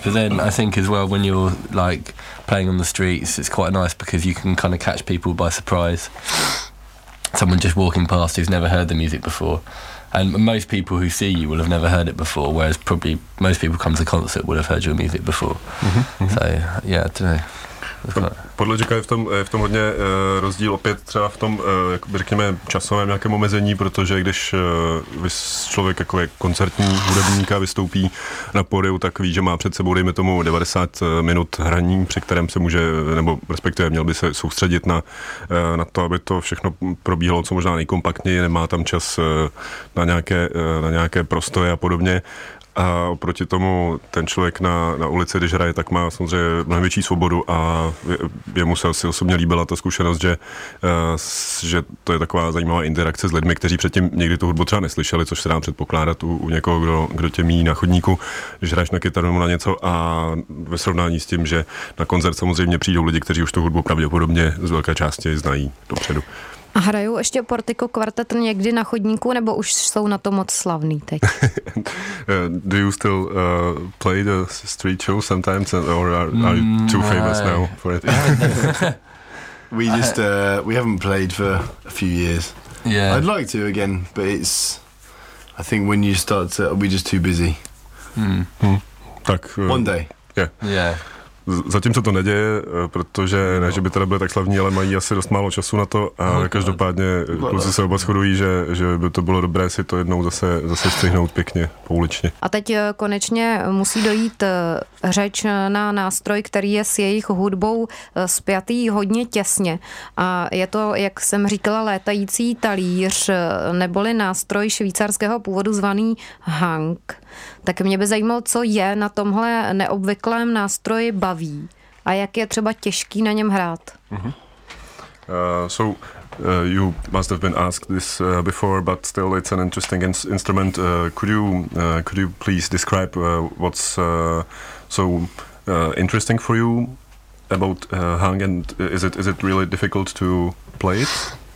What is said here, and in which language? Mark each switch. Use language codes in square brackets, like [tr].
[en] But then I think as well, when you're like playing on the streets, it's quite nice because you can kind of catch people by surprise. Someone just walking past who's never heard the music before. And most people who see you will have never heard it before, whereas probably most people come to the concert would have heard your music before. So, yeah, I don't know. [cs] Podle Jacka je v tom hodně rozdíl opět třeba v tom, řekněme, časovém nějakém omezení, protože když člověk jako je koncertní hudebníka vystoupí na pódiu, tak ví, že má před sebou, dejme tomu, 90 minut hraní, při kterém se může, nebo respektive měl by se soustředit na to, aby to všechno probíhalo co možná nejkompaktněji, nemá tam čas na nějaké prostoje a podobně. A oproti tomu ten člověk na ulici, když hraje, tak má samozřejmě mnohem větší svobodu, a jemu se asi osobně líbila ta zkušenost, že to je taková zajímavá interakce s lidmi, kteří předtím někdy tu hudbu třeba neslyšeli, což se dá předpokládat u někoho, kdo tě míjí na chodníku, když hraješ na kytaru nebo na něco, a ve srovnání s tím, že na koncert samozřejmě přijdou lidi, kteří už tu hudbu pravděpodobně z velké části znají dopředu. A hrajou ještě Portico Quartet někdy na chodníku, nebo už jsou na to moc slavný teď? [en] Do you still play the street show sometimes, or are you too famous now for it? We just we haven't played for a few years. Yeah, I'd like to again, but it's. I think when you start to, we're just too busy. [cs] Tak. [en] One day. Yeah. Yeah. [cs] Zatím se to neděje, protože ne, že by teda byli tak slavní, ale mají asi dost málo času na to a každopádně kluci se oba shodují, že by to bylo dobré si to jednou zase stihnout pěkně, pouličně. A teď konečně musí dojít řeč na nástroj, který je s jejich hudbou spjatý hodně těsně. A je to, jak jsem říkala, létající talíř, neboli nástroj švýcarského původu zvaný hang. Tak mě by zajímalo, co je na tomhle neobvyklém nástroji baví a jak je třeba těžký na něm hrát. [en] So you must have been asked this before, but still it's an interesting instrument. Could you please describe what's so interesting for you about hang, and is it really difficult to play it?